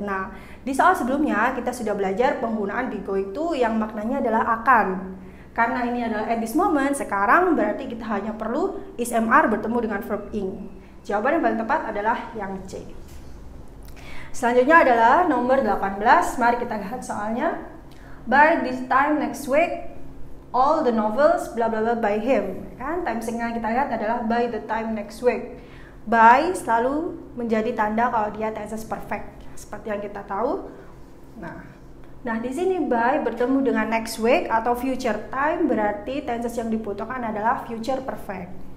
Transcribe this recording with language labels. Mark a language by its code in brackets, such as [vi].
[id] Nah, di soal sebelumnya kita sudah belajar penggunaan be going to yang maknanya adalah akan. Karena ini adalah at this moment, sekarang berarti kita hanya perlu is MR bertemu dengan verb ing. Jawaban yang paling tepat adalah yang C. Selanjutnya adalah nomor 18. Mari kita lihat soalnya. [en] By this time next week, all the novels bla bla bla by him. [id] Kan? Timesing yang kita lihat adalah [en] by the time next week. [id] By selalu menjadi tanda kalau dia tenses perfect, seperti yang kita tahu. Nah, di sini by bertemu dengan next week atau future time, berarti tenses yang dibutuhkan adalah future perfect.